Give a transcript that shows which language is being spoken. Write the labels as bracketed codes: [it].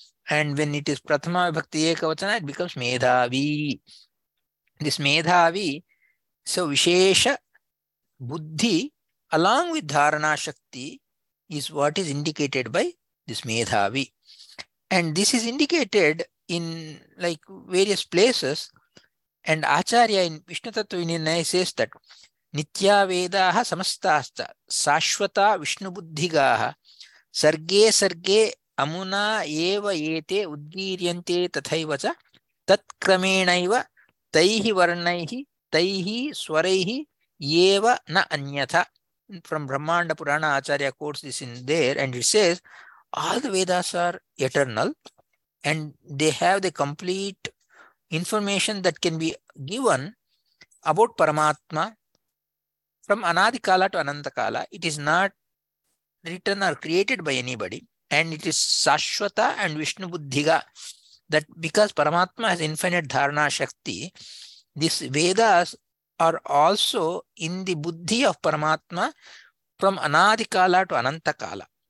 [en] And when it is prathama vibhakti ekavachana, it becomes medhavi. This medhavi, so vishesha buddhi along with dharana shakti is what is indicated by this medhavi. And this is indicated in like various places. And Acharya in Vishnu Tattva Vinirnaya says that [sa] ನಿತ್ಯವೇದಾಃ ಸಮಸ್ತಾಶ್ಚ ಶಾಶ್ವತ ವಿಷ್ಣುಬುದ್ಧಿಗಾಃ ಸರ್ಗೇ ಸರ್ಗೇ ಅಮುನಾ ಏವ ಏತೇ ಉದ್ಗೀರ್ಯಂತೆ ತಥೈವ ಚ ತತ್ಕ್ರಮೇಣೈವ ತೈಹಿ ವರ್ಣೈಹಿ ತೈಹಿ ಸ್ವರೈಹಿ ಏವ ನ ಅನ್ಯಥ. [en] From Brahmanda Purana Acharya quotes this in there and it says all the Vedas are eternal and they have the complete information that can be given about Paramatma. From anadikala to anantakala, it is not written or created by anybody. And it is sashvata and vishnu buddhiga. That because Paramatma has infinite dharana shakti, these Vedas are also in the buddhi of Paramatma from anadikala to anantakala.